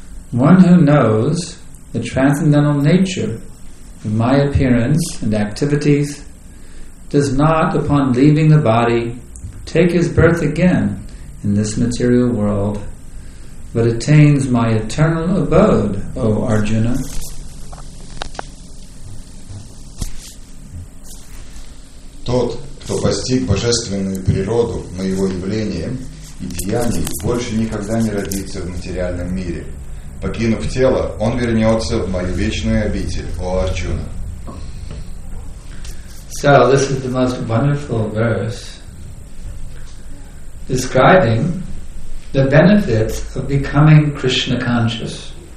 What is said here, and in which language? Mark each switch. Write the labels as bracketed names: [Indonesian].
[English] One who knows the transcendental nature of my appearance and activities does not, upon leaving the body, take his birth again in this material world, but attains my eternal abode, O Arjuna. [Russian] Тот, кто постиг божественную природу моего явления и деяний, больше никогда не родится в материальном мире. Покинув тело, он вернется в мою вечную обитель, О Арджуна. [English] So, this is the most wonderful verse describing the benefits of becoming Krishna conscious.